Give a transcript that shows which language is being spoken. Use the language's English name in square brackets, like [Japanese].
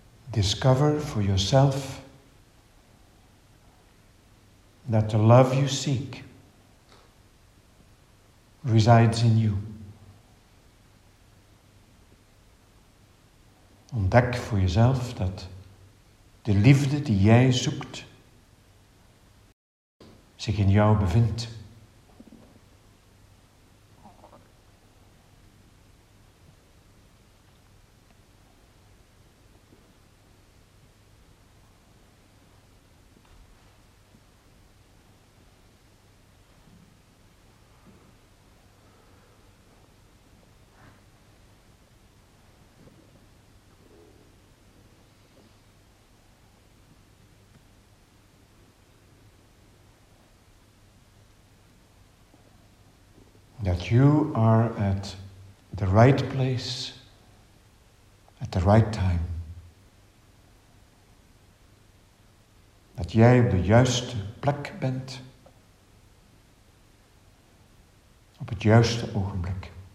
[English] Discover for yourself that the love you seek resides in you. [Dutch] Ontdek voor jezelf dat de liefde die jij zoekt zich in jou bevindt. [English] That you are at the right place at the right time. [Dutch] Dat jij op de juiste plek bent op het juiste ogenblik.